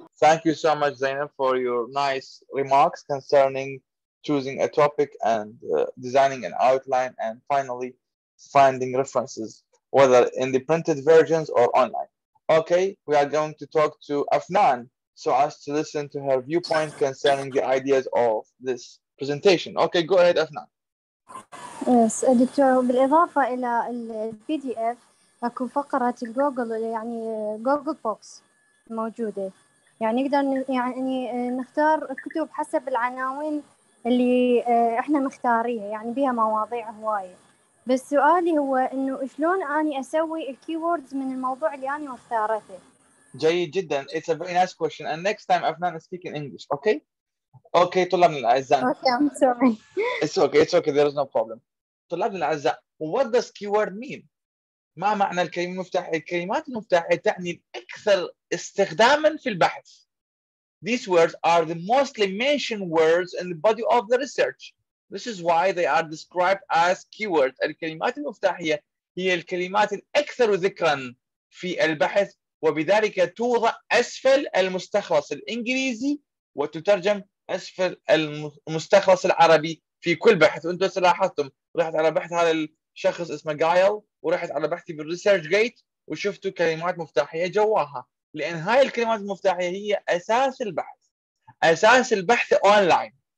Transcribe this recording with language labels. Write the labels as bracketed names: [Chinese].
[English] Thank you so much, Zainab, for your nice remarks concerning choosing a topic and designing an outline, and finally finding references, whether in the printed versions or online. Okay, we are going to talk to Afnan so as to listen to her viewpoint concerning the ideas of this presentation. Okay, go ahead, Afnan. [Arabic] Yes, دكتور, بالإضافة إلى البي دي إف أكو فقرة الجوجل, يعني جوجل بوكس موجودة, يعني نقدر يعني نختار كتب حسب العناوين اللي إحنا مختاريها, يعني بها مواضيع هواية. بس سؤالي هو إنه شلون أني أسوي الكيوردز من الموضوع اللي أنا مختارته؟ جيد جدا. [English] It's a very nice question. And next time Afnan is speaking English, okay? [Arabic] Okay, طلابنا الأعزاء. [English] Okay, I'm sorry. It's okay. There is no problem. [Arabic] طلابنا الأعزاء. [English] What does keyword mean? [Arabic] ما معنى الكلمة المفتاحية؟ الكلمات المفتاحية تعني الأكثر استخداما في البحث. [English] These words are the mostly mentioned words in the body of the research. This is why they are described as keywords. [Arabic] الكلمات المفتاحية هي الكلمات الأكثر ذكراً في البحث, وبذلك توضع أسفل المستخلص الإنجليزي وتترجم أسفل المستخلص العربي في كل بحث. وأنتوا لاحظتم, رحت على بحث هذا الشخص اسمه جايل, ورحت على بحثي بالريسيرش جيت وشفتوا كلمات مفتاحية جواها, لأن هاي الكلمات المفتاحية هي أساس البحث, أساس البحث أونلاين.